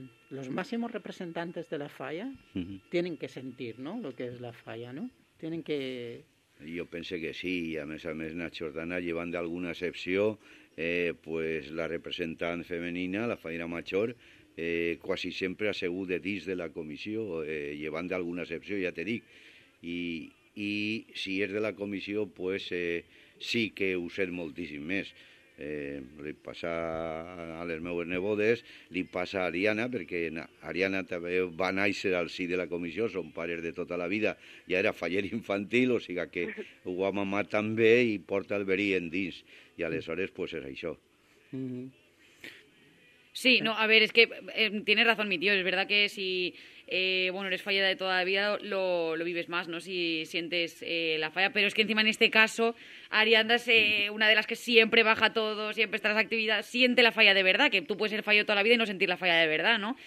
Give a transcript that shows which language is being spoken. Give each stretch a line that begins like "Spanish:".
Spanish: Los máximos representantes de la falla tienen que sentir, ¿no?, lo que es la falla, ¿no? Tienen que... Yo pensé que sí,
Catalan: a més Nachordana, llevant d'alguna excepció, pues la representant femenina, la fallera major, quasi sempre ha segut de dins de la comissió, llevant d'alguna excepció, ja te dic. I si és de la comissió, pues sí que ho sent moltíssim més. Li passa a les meues nebodes, li passa a Ariana, perquè Ariana també va néixer al si de la comissió, són pares de tota la vida, ja era faller infantil, o sigui que ho ha mamat també i porta el verí en dins, i aleshores pues és això.
Spanish: Sí, no, a ver, es que tienes razón, mi tío, es verdad que si bueno, eres fallada de toda la vida, lo vives más, ¿no? Si sientes la falla, pero es que encima en este caso, Arianda es una de las que siempre baja todo, siempre está en las actividades, siente la falla de verdad, que tú puedes ser fallo toda la vida y no sentir la falla de verdad, ¿no?